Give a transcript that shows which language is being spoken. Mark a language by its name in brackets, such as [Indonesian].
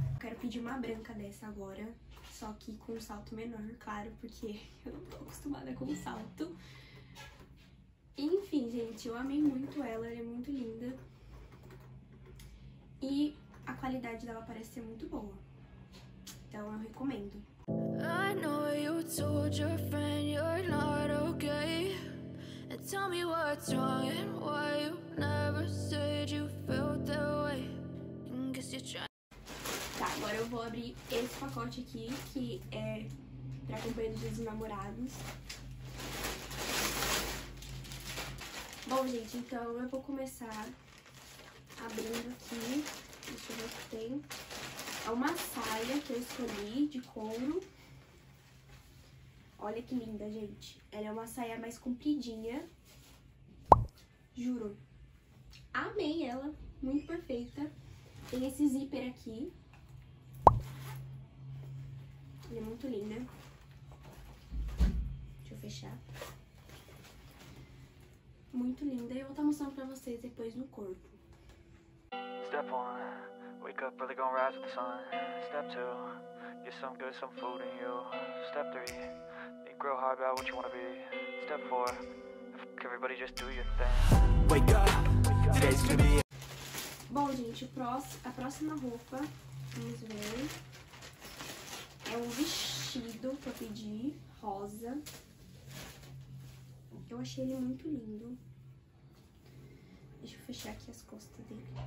[Portuguese] Quero pedir uma branca dessa agora. Só que com um salto menor, claro, porque eu não tô acostumada com salto. Enfim, gente, eu amei muito ela. Ela é muito linda. E a qualidade dela parece ser muito boa. Então eu recomendo. [English] I know you told your friend you're not okay. And tell me what's wrong and why you never said you felt that way. [Portuguese] Tá, agora eu vou abrir esse pacote aqui, que é pra companhia dos namorados. Bom, gente, então eu vou começar abrindo aqui. Deixa eu ver o que tem. É uma saia que eu escolhi, de couro. Olha que linda, gente. Ela é uma saia mais compridinha. Juro, amei ela, muito perfeita. Tem esse zíper aqui. Ele é muito lindo. Deixa eu fechar. Muito linda. Eu vou estar mostrando pra vocês depois no corpo. [English] Step 1. Wake up early, gonna rise with the sun. Step 2. Get some good, some food in you. Step 3. Think real hard about what you wanna be. Step 4. Fuck everybody, just do your thing. Wake up. Today's gonna be. [Portuguese] Bom, gente, a próxima roupa, vamos ver, é um vestido que eu pedi, rosa. Eu achei ele muito lindo. Deixa eu fechar aqui as costas dele.